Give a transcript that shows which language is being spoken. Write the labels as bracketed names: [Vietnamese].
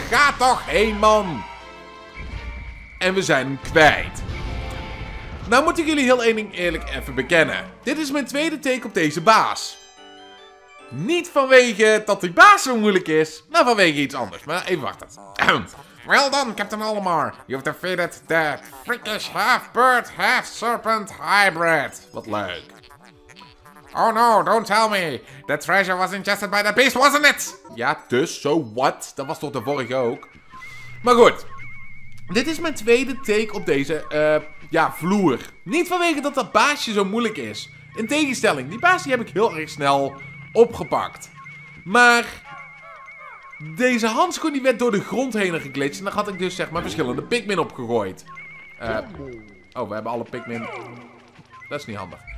[Dutch] Ga toch heen, man! En we zijn hem kwijt. Nou moet ik jullie heel één ding eerlijk even bekennen. Dit is mijn tweede take op deze baas. Niet vanwege dat die baas zo moeilijk is, maar vanwege iets anders. Maar even wachten. [English] Well done, [Dutch] Captain Olimar. [English] You've defeated the freakish half-bird, half-serpent hybrid. [Dutch] Wat leuk. [English] Oh no, don't tell me. The treasure was ingested by the beast, wasn't it? [Dutch] Ja, dus, [English] so what? [Dutch] Dat was toch de vorige ook? Maar goed. Dit is mijn tweede take op deze vloer. Niet vanwege dat dat baasje zo moeilijk is. In tegenstelling, die baas die heb ik heel erg snel opgepakt. Maar Deze handschoen die werd door de grond heen geglitcht. En daar had ik dus zeg maar verschillende Pikmin op gegooid. Oh, we hebben alle Pikmin. Dat is niet handig.